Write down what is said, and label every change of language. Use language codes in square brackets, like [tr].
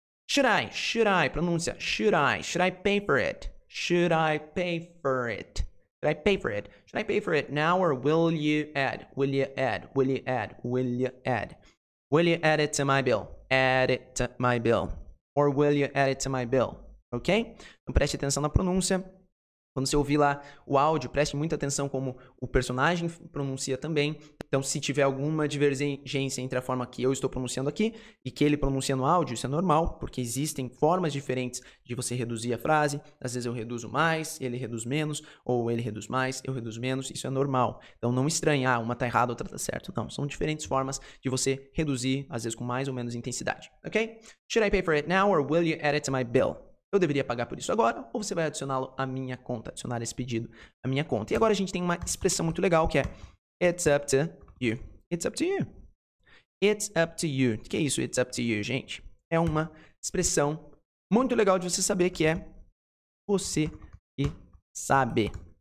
[en] Should I, [pt] pronúncia, [en] should I pay for it? Should I pay for it now or will you add it to my bill? Add it to my bill. Or will you add it to my bill? [pt] Ok? Então, preste atenção na pronúncia. Quando você ouvir lá o áudio, preste muita atenção como o personagem pronuncia também. Então, se tiver alguma divergência entre a forma que eu estou pronunciando aqui e que ele pronuncia no áudio, isso é normal, porque existem formas diferentes de você reduzir a frase. Às vezes eu reduzo mais, ele reduz menos, ou ele reduz mais, eu reduzo menos. Isso é normal. Então, não estranhar, uma está errada, outra está certa. Não, são diferentes formas de você reduzir, às vezes com mais ou menos intensidade. Ok? [en] Should I pay for it now or will you add it to my bill? [pt] Eu deveria pagar por isso agora ou você vai adicioná-lo à minha conta, adicionar esse pedido à minha conta. E agora a gente tem uma expressão muito legal que é [en] it's up to you. It's up to you. It's up to you. [pt] O que é isso, [en] it's up to you, [pt] gente? É uma expressão muito legal de você saber que é você que sabe.